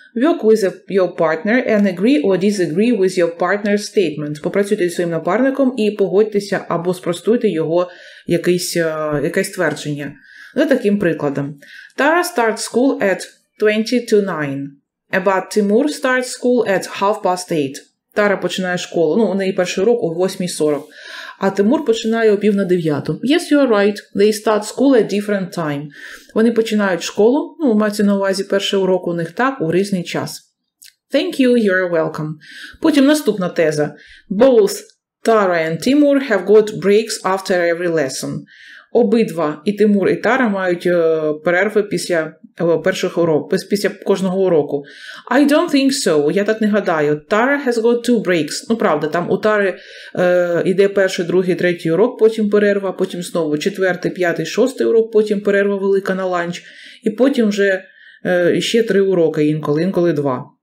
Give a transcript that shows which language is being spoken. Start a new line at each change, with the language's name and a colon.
English: Work with your partner and agree or disagree with your partner's statement.
Ukrainian: Попрацюйте зі своїм напарником і погодьтеся або спростуйте його якесь твердження. За таким прикладом.
English: Tara starts school at 8:40. About Timur starts school at 8:30.
Ukrainian: Тара починає школу, ну, у неї перший урок о 8:40, а Тимур починає о 8:30.
English: Yes, you are right, they start school at different time.
Ukrainian: Вони починають школу, ну, мається на увазі перший урок у них так, у різний час.
English: Thank you, you are welcome.
Ukrainian: Потім наступна теза.
English: Both Tara and Timur have got breaks after every lesson.
Ukrainian: Обидва, і Тимур, і Тара, мають перерви після перших уроків, після кожного уроку.
English: I don't think so.
Ukrainian: Я так не гадаю.
English: Tara has got two breaks.
Ukrainian: Ну, правда, там у Тари йде перший, другий, третій урок, потім перерва, потім знову четвертий, п'ятий, шостий урок, потім перерва велика на ланч, і потім вже ще три уроки інколи два.